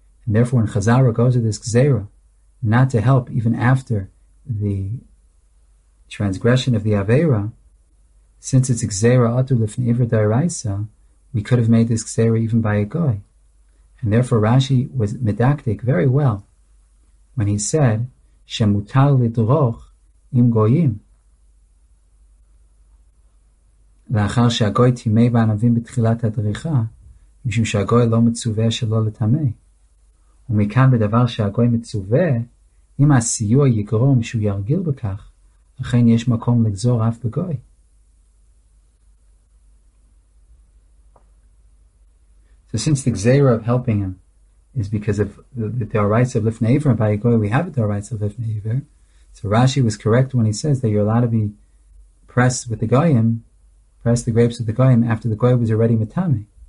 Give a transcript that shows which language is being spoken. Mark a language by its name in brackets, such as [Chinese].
[English] And therefore, when Chazara goes to this Gzeira, not to help even after the transgression of the Aveira, since it's Gzeira Atu Lifnei Iver Dairaisa, we could have made this Gzeira even by a Goy. And therefore, Rashi was medactic very well when he said, [Hebrew] Shemutal Lidroch Im Goyim. לאחר שהגוי תימי בענבים בתחילת הדריכה, משום שהגוי לא מצווה שלא לתמי. ומכאן בדבר שהגוי מצווה, אם הסיוע יגרום שהוא ירגיל בכך, לכן יש מקום לגזור אף בגוי. [English] So since the gzeira of helping him is because of the Oraisa of Lifnei Iver, and by Goy we have a Oraisa of Lifnei Iver. So Rashi was correct when he says that you're allowed to be pressed with the Goyim, press the grapes with the Goyim after the Goy was already Metame.